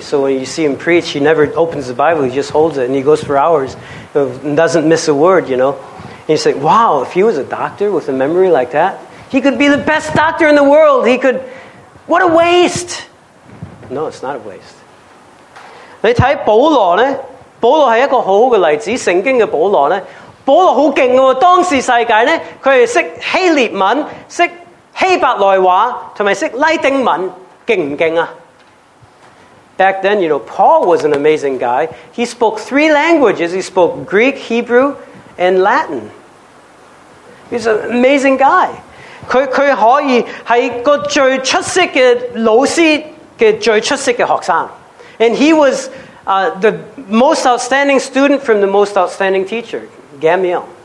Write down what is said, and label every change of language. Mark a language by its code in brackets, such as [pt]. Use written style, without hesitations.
[en] So when you see him preach, he never opens the Bible, he just holds it and he goes for hours and doesn't miss a word, you know. And you say, wow, if he was a doctor with a memory like that, he could be the best doctor in the world. He could, what a waste! No, it's not a waste. [yue] 你睇保罗咧，保罗系一个好好嘅例子，圣经嘅保罗咧，保罗好劲嘅喎。当时世界咧，佢系识希腊文、识希伯来话同埋识拉丁文，劲唔劲啊 [en] ？Back then, you know, Paul was an amazing guy. He spoke three languages. He spoke Greek, Hebrew, and Latin. He's an amazing guy. [yue] 佢可以系个最出色嘅老师。 [en] And he was the most outstanding student from the most outstanding teacher, Gamaliel.